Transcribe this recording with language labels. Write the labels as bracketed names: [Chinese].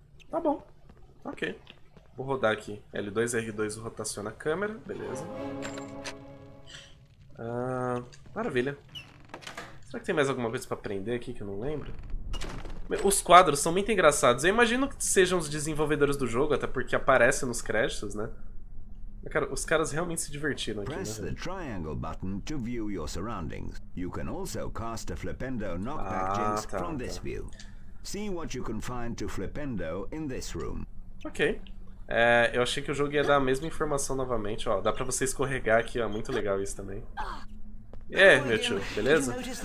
[Portuguese] Tá bom. Ok. Vou rodar aqui. L2 e R2 rotaciona a câmera. Beleza. Maravilha. Será que tem mais alguma coisa para aprender aqui que eu não lembro? Os quadros são muito engraçados. Eu imagino que sejam os desenvolvedores do jogo, até porque aparecem nos créditos, né? Cara, os caras realmente se divertiram aqui, né? [English] Press the triangle button to view your surroundings. You can also cast a Flipendo knockback jinx from this view. See what you can find to Flipendo in this room. Ok. [Portuguese] É, eu achei que o jogo ia dar a mesma informação novamente. Ó, dá pra você escorregar aqui, ó. Muito legal isso também. É, meu tio, beleza?